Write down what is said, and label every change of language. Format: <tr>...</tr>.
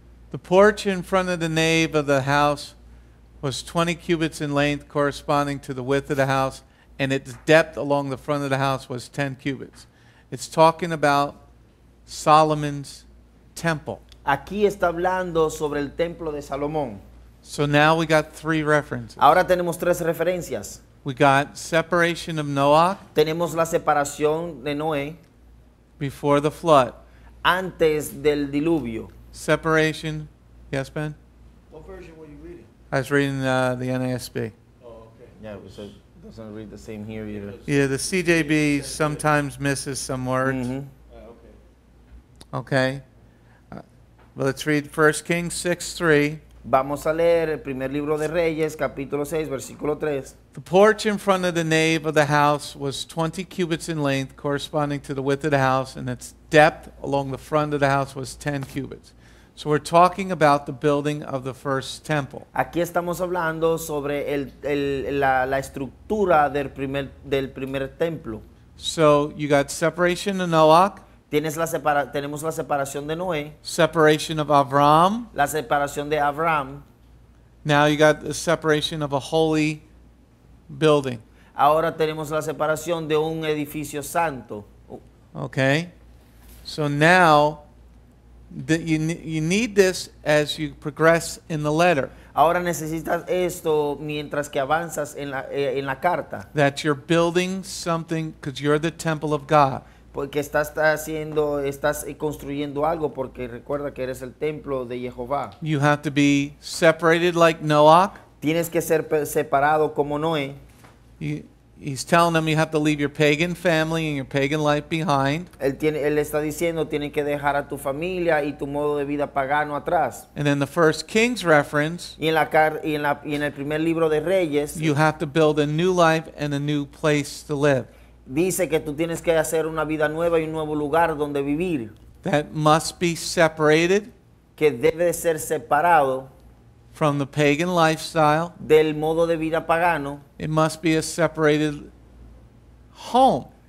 <en>The porch in front of the nave of the house was 20 cubits in length, corresponding to the width of the house, and its depth along the front of the house was 10 cubits. It's talking about Solomon's temple.</en> <es>Aquí está hablando sobre el templo de Salomón.</es> <en>So now we got three references.</en> <es>Ahora tenemos tres referencias.</es> <en>We got separation of Noah.</en> <es>Tenemos la separación de Noé.</es> <en>Before the flood.</en> <es>Antes del diluvio.</es> <en>Separation. Yes, Ben? What version were you reading? I was reading the NASB. Oh, okay. Yeah, it doesn't read the same here either. Yeah, the CJB sometimes misses some words. Mm-hmm. Okay. Well, let's read 1 Kings 6, 3.</en> <es>Vamos a leer el primer libro de Reyes, capítulo 6, versículo 3.</es> <en>The porch in front of the nave of the house was 20 cubits in length, corresponding to the width of the house, and its depth along the front of the house was 10 cubits. So we're talking about the building of the first temple.</en> <es>Aquí estamos hablando sobre la estructura del primer templo.</es> <en>So you got separation of Noah.</en> <es>Tenemos la separación de Noé.</es> <en>Separation of Avram.</en> <es>La separación de Avram.</es> <en>Now you got the separation of a holy building.</en> <es>Ahora tenemos la separación de un edificio santo.</es> <en>Okay. So now, you need this as you progress in the letter.</en> <es>Ahora necesitas esto mientras que avanzas en la carta.</es> <en>That you're building something because you're the temple of God.</en> <es>Porque estás haciendo, estás construyendo algo porque recuerda que eres el templo de Jehová.</es> <en>You have to be separated like Noah.</en> <es>Tienes que ser separado como Noé.</es> <en>He's telling them you have to leave your pagan family and your pagan life behind.</en> <es>Él está diciendo tienes que dejar a tu familia y tu modo de vida pagano atrás.</es> <en>And then the first Kings reference.</en> <es>Y en el primer libro de Reyes.</es> <en>You have to build a new life and a new place to live.</en> <es>Dice que tú tienes que hacer una vida nueva y un nuevo lugar donde vivir.</es> <en>That must be separated.</en> <es>Que debe ser separado.</es> <en>From the pagan lifestyle.</en> <es>Del modo de vida pagano.</es> <en>It must be a separated home.</en>